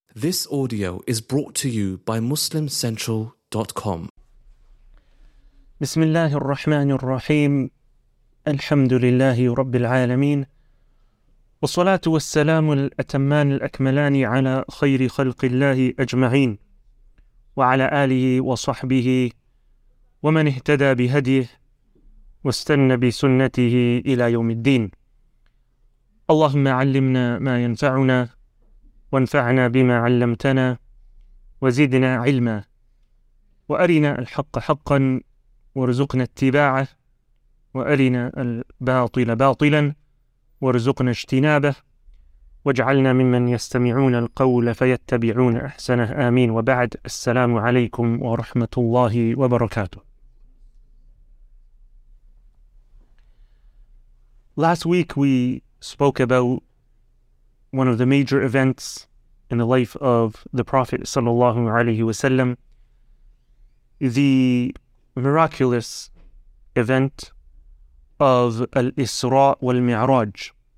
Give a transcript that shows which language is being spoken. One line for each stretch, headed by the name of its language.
English: This audio is brought to you by MuslimCentral.com.
Arabic: بسم الله الرحمن الرحيم. الحمد لله رب العالمين، والصلاة والسلام الأتمان الأكملان على خير خلق الله أجمعين، وعلى آله وصحبه ومن اهتدى بهديه واستنى بسنته إلى يوم الدين. اللهم علمنا ما ينفعنا، وانفعنا بما علمتنا، وزدنا علما، وأرنا الحق حقا وارزقنا اتباعه، وأرنا الباطل باطلا وارزقنا اجتنابه، واجعلنا ممن يستمعون القول فيتبعون أحسنه، آمين. وبعد، السلام عليكم ورحمة الله وبركاته.
English: Last week we spoke about one of the major events in the life of the Prophet sallallahu alaihi wasallam, the miraculous event of Al-Isra wal-Mi'raj.